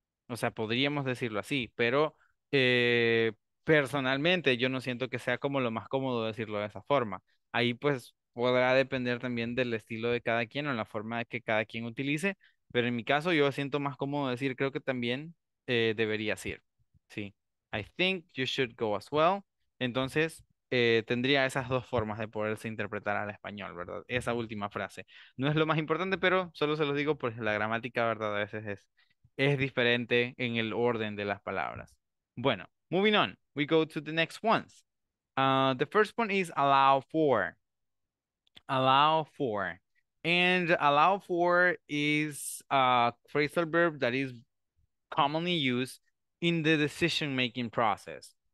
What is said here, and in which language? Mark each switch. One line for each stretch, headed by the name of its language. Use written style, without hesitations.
Spanish: O sea, podríamos decirlo así, pero personalmente yo no siento que sea como lo más cómodo decirlo de esa forma. Ahí pues podrá depender también del estilo de cada quien o la forma que cada quien utilice, pero en mi caso yo siento más cómodo decir, creo que también deberías ir.
English: Sí, I think you should go as well.
Spanish: Entonces, tendría esas dos formas de poderse interpretar al español, ¿verdad? Esa última frase. No es lo más importante, pero solo se los digo porque la gramática, ¿verdad? A veces es diferente en el orden de las palabras.
English: Bueno, moving on, we go to the next ones. The first one is allow for. Allow for. And allow for is a phrasal verb that is commonly used in the decision-making process.